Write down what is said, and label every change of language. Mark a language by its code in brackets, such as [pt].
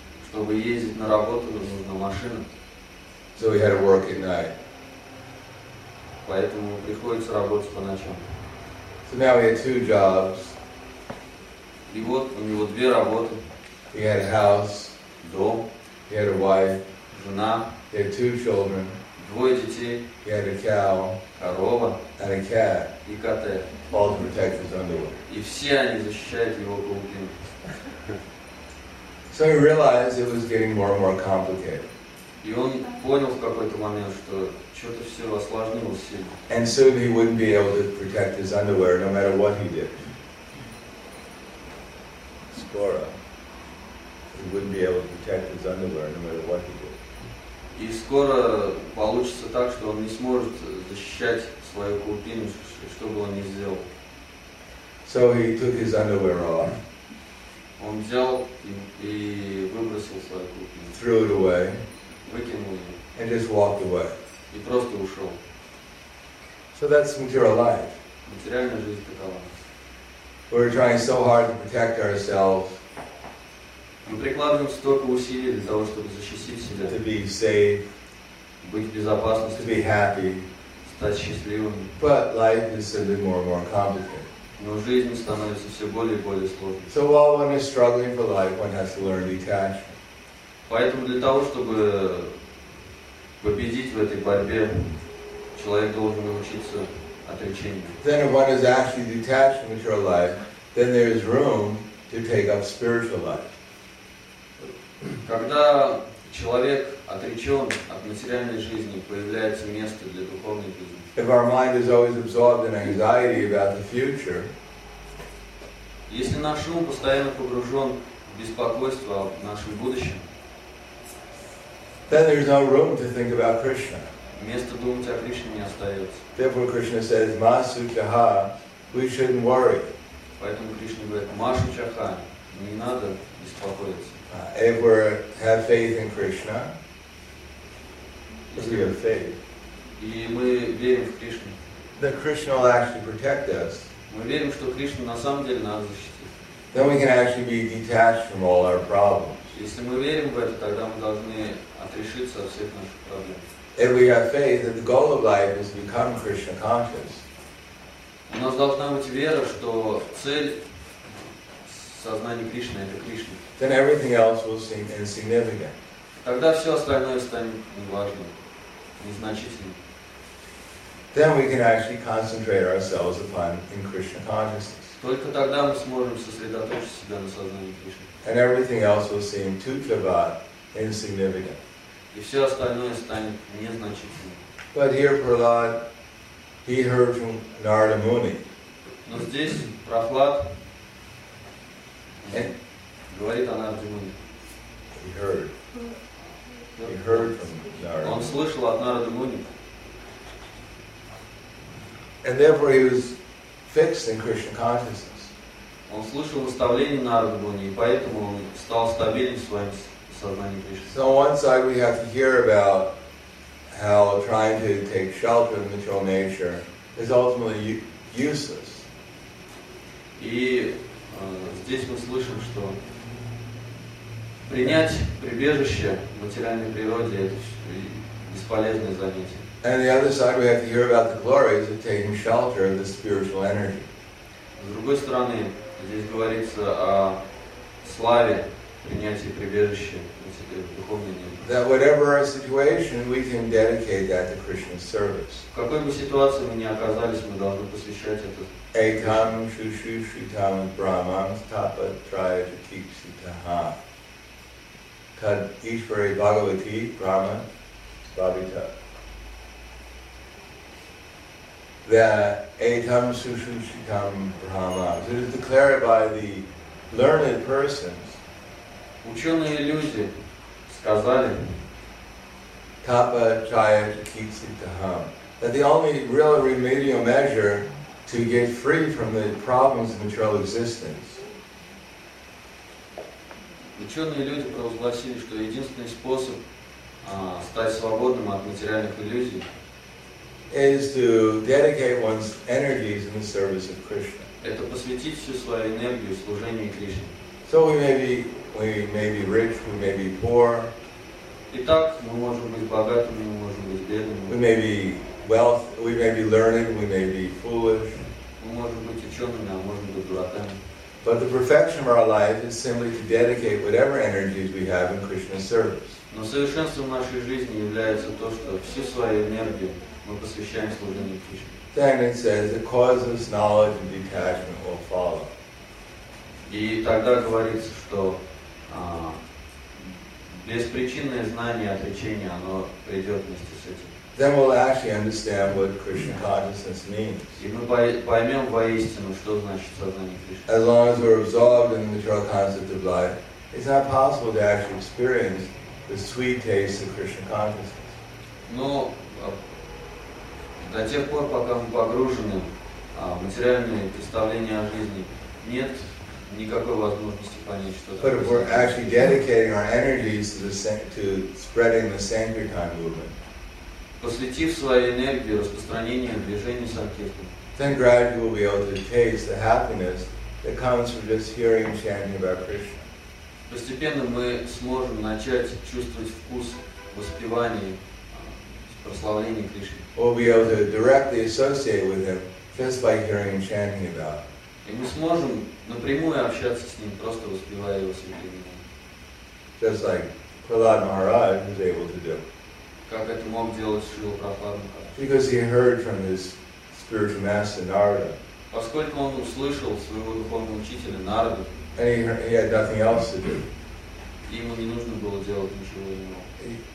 [ru] Чтобы ездить на работу, нужна машина. [en] So he had to work at night. [ru] Поэтому приходится работать по ночам. [en] So now he had two jobs. [ru] И вот у него две работы. [en] He had a house. [ru] Дом. [en] He had a wife. [ru] Жена. [en] He had two children. [ru] Двое детей. [en] He had a cow. [ru] Корова. [en] And a cat. [ru] И коты. [en] All to protect his underwear. [ru] И все они защищают его клубину. [en] So he realized it was getting more and more complicated. [ru] И он понял в какой-то момент, что что-то все осложнилось сильно. [en] And soon he wouldn't be able to protect his underwear, no matter what he did. [ru] Скоро. [en] He wouldn't be able to protect his underwear, no matter what he did. [ru] И скоро получится так, что он не сможет защищать свою клубину, что бы он ни сделал. [en] So he took his underwear off. [ru] Он взял и выбросил свою клубину. [en] Threw it away. [ru] Выкинул ее. [en] And just walked away. [ru] И просто ушел. [en] So that's material life. [ru] Материальная жизнь такова. [en] We're trying so hard to protect ourselves. [ru] Мы прикладываем столько усилий для того, чтобы защитить себя. [en] To be safe. [ru] Быть в безопасности. [en] To be happy. [ru] Стать счастливым. [en] But life is simply more and more complicated. [ru] Но жизнь становится все более и более сложной. [en] So while one is struggling for life, one has to learn detachment. [ru] Поэтому для того, чтобы победить в этой борьбе, человек должен научиться отречению. [en] Then if one is actually detached from material life, then there is room to take up spiritual life. [ru] Когда человек отречен от материальной жизни, появляется место для духовной жизни. [en] If our mind is always absorbed in anxiety about the future, [ru] если наш ум постоянно погружен в беспокойство о нашем будущем, [en] then there is no room to think about Krishna. [ru] Места думать о Кришне не остается. [en] Therefore, Krishna says, [sa] "Masu chaha, [en] we shouldn't worry." [ru] Поэтому Кришна говорит, [sa] "Masu chaha, [ru] не надо беспокоиться." [en] If we have faith in Krishna, if we have faith, [ru] и мы верим в Кришну, [en] then Krishna will actually protect us. [ru] Мы верим, что Кришна на самом деле нас защитит. [en] Then we can actually be detached from all our problems. [ru] Если мы верим в это, тогда мы должны отрешиться от всех наших проблем. [en] If we have faith that the goal of life is to become Krishna conscious. [ru] У нас должна быть вера, что цель сознания Кришны — это Кришна. [en] Then everything else will seem insignificant. [ru] Тогда все остальное станет неважным, незначительным. [en] Then we can actually concentrate ourselves upon in Krishna consciousness. [ru] Только тогда мы сможем сосредоточить себя на сознании Кришны. [en] And everything else will seem tuchavat, insignificant. [ru] И все остальное станет незначительным. [en] But here, Prahlad, he heard from Narada Muni. [ru] Но здесь прохлад. Говорит она в демоне. [en] He heard. He heard from Narada. [ru] Он слышал от Нарады Муни. [en] And therefore he was fixed in Krishna consciousness. [ru] Он слышал наставление Нарады Муни, и поэтому он стал стабильным в своем сознании Кришны. [en] So on one side we have to hear about how trying to take shelter of material nature is ultimately useless. [ru] И здесь мы слышим, что принять прибежище в материальной природе — это бесполезное занятие. [en] And the other side, we have to hear about the glories of taking shelter of the spiritual energy. [ru] С другой стороны, здесь говорится о славе принятия прибежища в духовной энергии. [en] That whatever our situation, we can dedicate that to Krishna's service. [ru] В какой бы ситуации мы ни оказались, мы должны посвящать это. [sa] Этам шушу шутам брахмам тапа трая чикситаха. Tad Ishvari Bhagavati Brahma Bhavita. That Etam Sushushitam Brahma. [en] So it is declared by the learned persons. [ru] Ученые люди сказали [sa] Tapa Chaya Chikitsitaham. [en] That the only real remedial measure to get free from the problems of material existence. [ru] Ученые люди провозгласили, что единственный способ стать свободным от материальных иллюзий [en] is to dedicate one's energies in the service of Krishna. [ru] Это посвятить всю свою энергию служению Кришне. [en] So we may be rich, we may be poor. [ru] Итак, мы можем быть богатыми, мы можем быть бедными. [en] We may be wealth, we may be learned, we may be foolish. [ru] Мы можем быть учеными, а можем быть дураками. [en] But the perfection of our life is simply to dedicate whatever energies we have in Krishna's service. [ru] Но совершенством нашей жизни является то, что всю свою энергию мы посвящаем служению Кришне. [en] Then it says the causeless knowledge and detachment will follow. [ru] И тогда говорится, что беспричинное знание отречения оно придет вместе с этим. [en] Then we'll actually understand what Krishna consciousness means. [ru] И мы поймем воистину, что значит сознание Кришны. [en] As long as we're absorbed in the material concept of life, it's not possible to actually experience the sweet taste of Krishna consciousness. [ru] Но до тех пор, пока мы погружены в материальные представления о жизни, нет никакой возможности понять, что. [en] But if we're actually dedicating our energies to spreading the Sankirtan movement. [ru] Посвятив свою энергию распространению движения санкирты. [en] Then gradually we'll be able to taste the happiness that comes from just hearing and chanting about Krishna. [ru] Постепенно мы сможем начать чувствовать вкус воспевания, прославления Кришны. [en] We'll be able to directly associate with Him just by hearing and chanting about Him. [ru] И мы сможем напрямую общаться с Ним, просто воспевая Его святые имена. [en] Just like Prahlad Maharaj was able to do. [ru] Как это мог делать Шрила Прохлада? [en] Because he heard from his spiritual master Narada. [ru] Поскольку он услышал своего духовного учителя Нарада. [en] And he had nothing else to do. [ru] Ему не нужно было делать ничего иного.